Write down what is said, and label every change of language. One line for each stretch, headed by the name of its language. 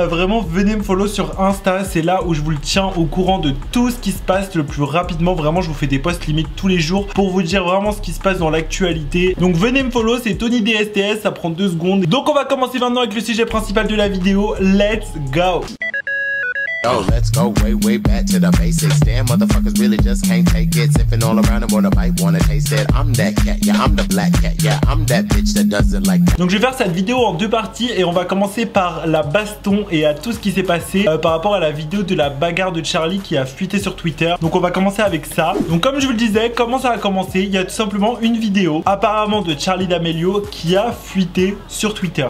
French: Vraiment venez me follow sur Insta, c'est là où je vous le tiens au courant de tout ce qui se passe le plus rapidement. Vraiment je vous fais des posts limite tous les jours pour vous dire vraiment ce qui se passe dans l'actualité. Donc venez me follow, c'est Tony DSTS, ça prend 2 secondes. Donc on va commencer maintenant avec le sujet principal de la vidéo,
English: let's go. Yo, let's go way, way back to the basics. Damn, motherfuckers really just can't take it. Sipping all around and wanna bite, wanna taste it. I'm that cat, yeah, I'm the black cat. Yeah, I'm that bitch that doesn't like that.
French: Donc je vais faire cette vidéo en 2 parties. Et on va commencer par la baston et à tout ce qui s'est passé par rapport à la vidéo de la bagarre de Charli qui a fuité sur Twitter. Donc on va commencer avec ça. Donc comme je vous le disais, comment ça a commencé? Il y a tout simplement une vidéo apparemment de Charli D'Amelio qui a fuité sur Twitter.